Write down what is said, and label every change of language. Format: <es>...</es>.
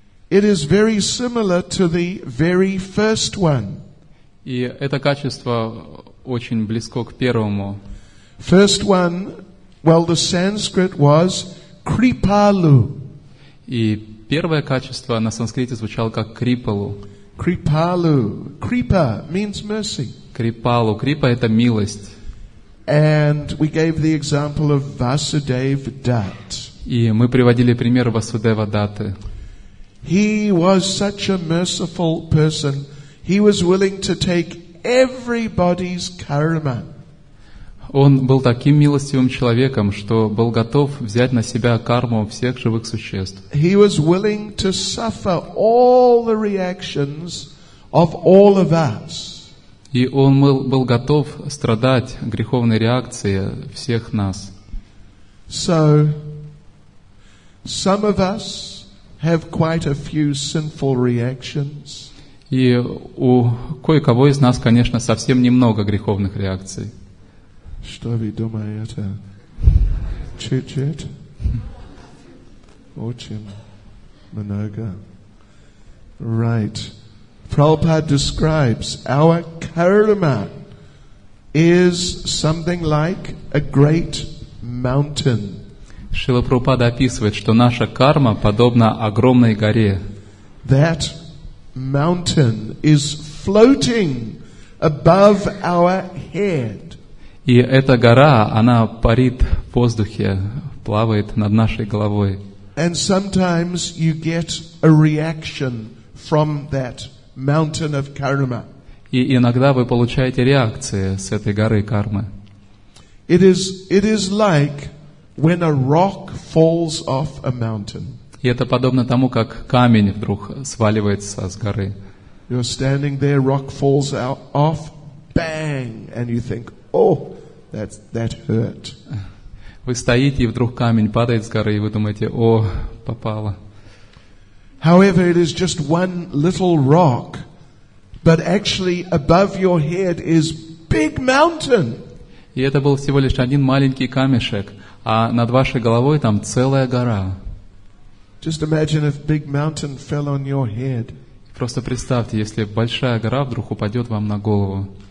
<en>It is very similar to the very first one.</en> <ru>И это качество очень близко к первому.</ru> <en>First one, well, the Sanskrit was kripalu.</en> <ru>И первое качество на санскрите звучало как kripalu.</ru> <en>Kripalu. Kripa means mercy.</en> <ru>Kripalu. Kripa — это милость.</ru> <en>And we gave the example of Vasudev Dat.</en> <ru>И мы приводили пример Васудева Даты.</ru> <en>He was such a merciful person. He was willing to take everybody's karma.</en> <ru>Он был таким милостивым человеком, что был готов взять на себя карму всех живых существ.</ru> <en>He was willing to suffer all the reactions of all of us.</en> <ru>И он был готов страдать греховной реакцией всех нас.</ru> <en>So, some of us have quite a few sinful reactions.</en> <ru>И у кое-кого из нас, конечно, совсем немного греховных реакций. Что вы думаете? Чуть-чуть? Очень много.</ru> <en>Right. Prabhupada describes our karma is something like a great mountain.</en> <ru>Шрила Прабхупада описывает, что наша карма подобна огромной горе.</ru> <en>That mountain is floating above our head.</en> <ru>И эта гора, она парит в воздухе, плавает над нашей головой.</ru> <en>And sometimes you get a reaction from that mountain of karma.</en> <ru>И иногда вы получаете реакции с этой горы кармы.</ru> <en>It is like when a rock falls off a mountain.</en> <ru>И это подобно тому, как камень вдруг сваливается с горы.</ru> <en>You're standing there, rock falls out, off, bang, and you think, oh, that hurt.</en> <ru>Вы стоите, и вдруг камень падает с горы, и вы думаете, о, попало.</ru> <en>However, it is just one little rock, but actually above your head is big mountain.</en> <ru>И это был всего лишь один маленький камешек, а над вашей головой там целая гора.</ru> <en>Just imagine if big mountain fell on your head.</en> <ru>Просто представьте, если большая гора вдруг упадет вам на голову.</ru>